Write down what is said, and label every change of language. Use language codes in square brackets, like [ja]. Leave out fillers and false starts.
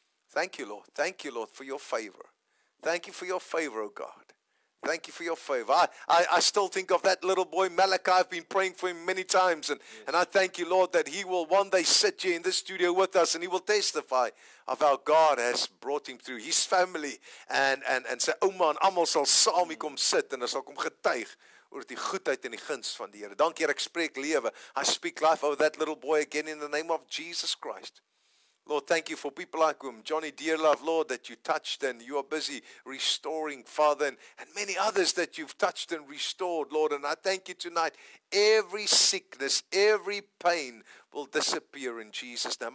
[en] Thank you, Lord. Thank you, Lord, for your favor. Thank you for your favor, O God. Thank you for your favor. I still think of that little boy, Malachi. I've been praying for him many times. And, yes. And I thank you, Lord, that he will one day sit here in this studio with us and he will testify of how God has brought him through his family. And say, [af] Oma en almal sal saam hier kom sit en sal kom getuig oor die goedheid en die guns van die Here. Dankie, ek spreek lewe. [en] I speak life over that little boy again in the name of Jesus Christ. Lord, thank you for people like whom Johnny Dearlove, Lord, that you touched and you are busy restoring, Father, and many others that you've touched and restored, Lord. And I thank you tonight. Every sickness, every pain will disappear in Jesus' name.